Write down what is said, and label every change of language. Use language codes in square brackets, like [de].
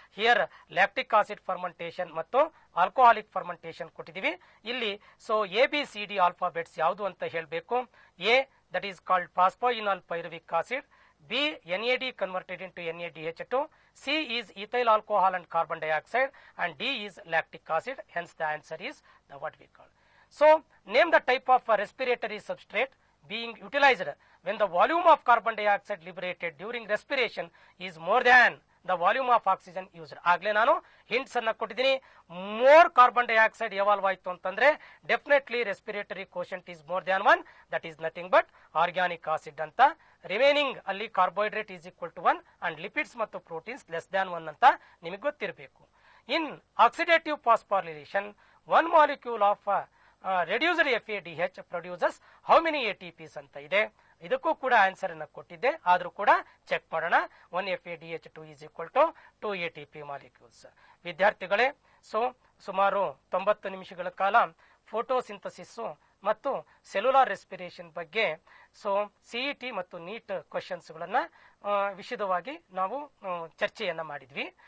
[kn] Here lactic acid fermentation ಮತ್ತು alcoholic fermentation ಕೊಟ್ಟಿದ್ದೀವಿ ಇಲ್ಲಿ. ಸೊ ABCD ಆಲ್ಫಾಬೆಟ್ಸ್ ಯಾವುದು ಅಂತ ಹೇಳಬೇಕು. A, [en] That is called phosphoenol pyruvic acid. B, NAD converted into NADH2. C is ethyl alcohol and carbon dioxide, and D is lactic acid. Hence the answer is the what we called. So name the type of respiratory substrate being utilized when the volume of carbon dioxide liberated during respiration is more than the volume of oxygen used. [kn] ಆಗ್ಲೆ ನಾನು hints ಅನ್ನ ಕೊಟ್ಟಿದ್ದೀನಿ. [en] More carbon dioxide evolve ಆಯ್ತು ಅಂತಂದ್ರೆ definitely respiratory quotient is more than one, that is nothing but organic acid ಅಂತ. Remaining ಅಲ್ಲಿ carbohydrate is equal to 1 and lipids ಮತ್ತು proteins less than 1 [kn] ಅಂತ ನಿಮಗೆ ಗೊತ್ತಿರಬೇಕು. [en] In oxidative phosphorylation one molecule of reduced FADH produces how many ATPs ಅಂತ ಇದೆ. [kn] ಇದಕ್ಕೂ ಕೂಡ ಆನ್ಸರ್ ಅನ್ನ ಕೊಟ್ಟಿದ್ದೆ, ಆದರೂ ಕೂಡ ಚೆಕ್ ಮಾಡೋಣ. [en] 1 FADH 2 = 2 ATP molecules. [kn] ವಿದ್ಯಾರ್ಥಿಗಳೇ, ಸೊ ಸುಮಾರು 90 ನಿಮಿಷಗಳ ಕಾಲ ಫೋಟೋಸಿಂಥಸಿಸ್ ಮತ್ತು ಸೆಲ್ಯುಲಾರ್ ರೆಸ್ಪಿರೇಷನ್ ಬಗ್ಗೆ ಸೊ CET ಮತ್ತು NEET ಕ್ವಶನ್ಸ್ಗಳನ್ನು ವಿಶದವಾಗಿ ನಾವು ಚರ್ಚೆಯನ್ನು ಮಾಡಿದ್ವಿ.